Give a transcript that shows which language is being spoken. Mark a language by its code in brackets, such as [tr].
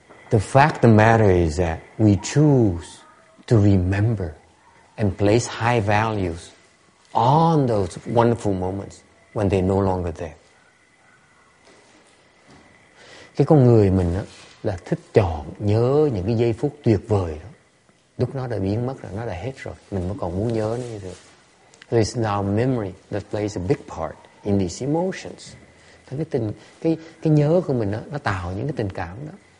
[en] The fact of the matter is that we choose to remember and place high values on those wonderful moments when they're no longer there. [vi] Cái con người mình á, là thích chọn nhớ những cái giây phút tuyệt vời đó. Lúc nó đã biến mất rồi, nó đã hết rồi. Mình mới còn muốn nhớ nó như thế. [en] So it's now memory that plays a big part in these emotions. [vi] Cái nhớ của mình á, nó tạo những cái tình cảm đó.